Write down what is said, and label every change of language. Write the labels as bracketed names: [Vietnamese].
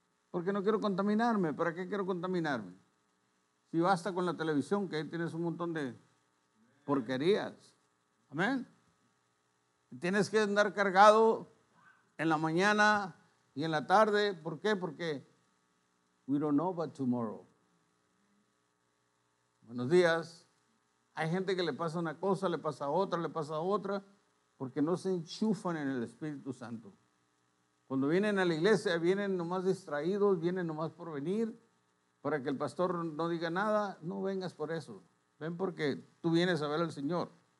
[Spanish] Porque no quiero contaminarme. ¿Para qué quiero contaminarme? Si basta con la televisión, que ahí tienes un montón de porquerías. ¿Amén? Tienes que andar cargado en la mañana y en la tarde. ¿Por qué? [English] Porque we don't know about tomorrow. [Spanish] Buenos días. Hay gente que le pasa una cosa, le pasa otra, le pasa otra, porque no se enchufan en el Espíritu Santo. Cuando vienen a la iglesia, vienen nomás distraídos, vienen nomás por venir, para que el pastor no diga nada. No vengas por eso. Ven porque tú vienes a ver al Señor.